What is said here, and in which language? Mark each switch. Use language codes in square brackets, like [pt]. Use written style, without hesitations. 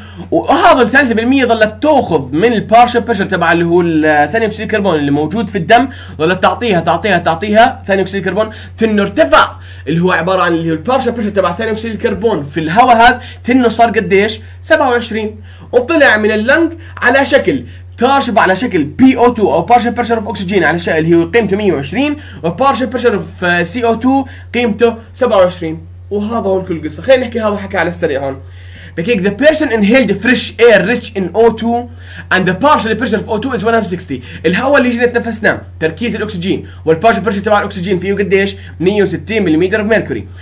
[ar] وهذا ال 3% ظلت تاخذ من البارشل بريشر تبع اللي هو ثاني اكسيد الكربون اللي موجود في الدم، ظلت تعطيها تعطيها تعطيها ثاني اكسيد الكربون تنه ارتفع، اللي هو عبارة عن اللي هو البارشل بريشر تبع ثاني اكسيد الكربون في الهواء هذا تنه صار قديش؟ 27. وطلع من اللنج على شكل تاشب على شكل PO2 او بارشل بريشر اوف اكسجين على شكل اللي هو قيمته 120 وبارشل بريشر اوف CO2 قيمته 27. وهذا هو كل القصة. خلينا نحكي هذا الحكي على السريع هون. بكيك [en] the person inhaled fresh air rich in O2 and the partial pressure of O2 is 160. [ar] الهواء اللي جينا تنفسناه تركيز الاكسجين والبارشل بريشر تبع الاكسجين فيه قديش؟ 160 ملم مركوري.